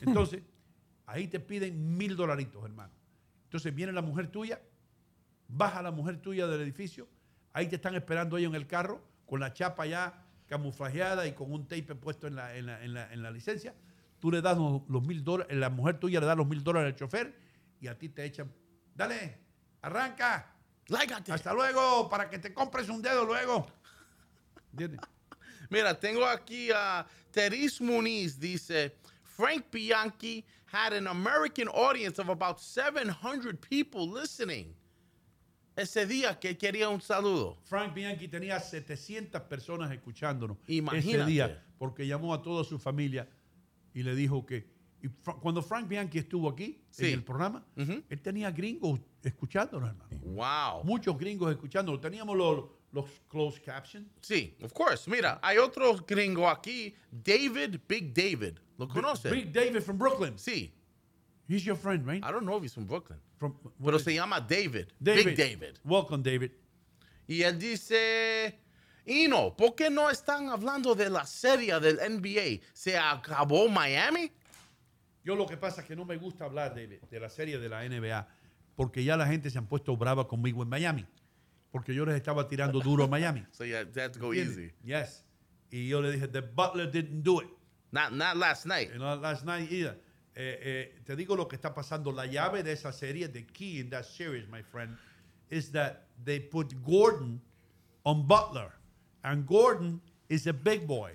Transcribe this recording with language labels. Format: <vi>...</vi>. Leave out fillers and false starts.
<es>Entonces, ahí te piden $1,000, hermano. Entonces, viene la mujer tuya, baja la mujer tuya del edificio, ahí te están esperando ellos en el carro, con la chapa ya camuflajeada y con un tape puesto en la licencia. Tú le das los $1,000, la mujer tuya le da $1,000 al chofer y a ti te echan, dale, arranca. Lágate. Hasta luego, para que te compres un dedo luego. Mira, tengo aquí a Teris Muniz, dice,</es> <en>Frank Bianchi had an American audience of about 700 people listening.</en> <es>Ese día que quería un saludo. Frank Bianchi tenía 700 personas escuchándonos. Imagínate. Ese día, porque llamó a toda su familia y le dijo que... Y cuando Frank Bianchi estuvo aquí, sí, en el programa, uh-huh, él tenía gringos escuchándonos, hermano.</es> <en>Wow.</en> <es>Muchos gringos escuchándonos. Teníamos los closed captions. Sí,</es> <en>of course.</en> <es>Mira, hay otro gringo aquí, David, Big David. ¿Lo conoce?</es> <en>Big David from Brooklyn.</en> <es>Sí.</es> <en>He's your friend, right? I don't know if he's from Brooklyn. From,</en> <es>pero se llama David. David. Big David.</es> <en>Welcome, David.</en> <es>Y él dice, Ino, ¿por qué no están hablando de la serie del NBA? ¿Se acabó Miami? Yo lo que pasa es que no me gusta hablar de la serie de la NBA porque ya la gente se han puesto brava conmigo en Miami porque yo les estaba tirando duro a Miami.</es> <en>So yeah, that go easy. Yes.</en> <es>Y yo le dije,</es> <en>the butler didn't do it. Not last night. Not last night either.</en> <es>Te digo lo que está pasando. La llave de esa serie,</es> <en>the key in that series, my friend, is that they put Gordon on Butler. And Gordon is a big boy.</en>